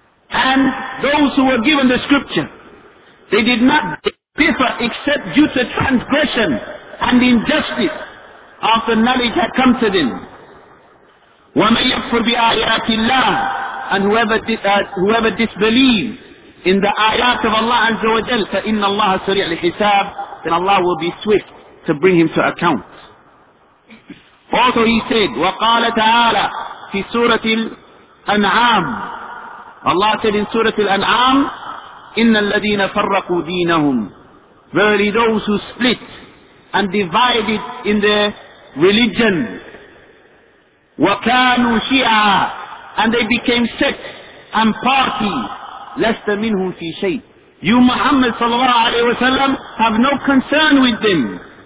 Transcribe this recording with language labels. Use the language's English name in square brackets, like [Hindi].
[English] And those who were given the scripture, they did not differ except due to transgression and injustice after knowledge had come to them. [Arabic] وَمَنْ يَكْفُرْ بِآيَاتِ اللَّهِ, [English] and whoever disbelieves in the ayat of Allah Azza wa Jal, [Arabic] فَإِنَّ اللَّهَ سَرِيعُ الْحِسَابِ, [English] then Allah will be swift to bring him to account. Also he said, [Arabic] وَقَالَ تَعَالَى فِي سُورَةِ الْأَنْعَامِ. [English] Allah said in Surah Al-An'am, [Arabic] إِنَّ الَّذِينَ فَرَّقُوا دِينَهُمْ, [English] verily those who split and divided in their religion, [Arabic] وَكَانُوا شِيعًا, [English] and they became sects and party, [Arabic] لَسْتَ مِنْهُمْ فِي شَيْءٍ, [English] you Muhammad sallallahu alayhi wa sallam have no concern with them.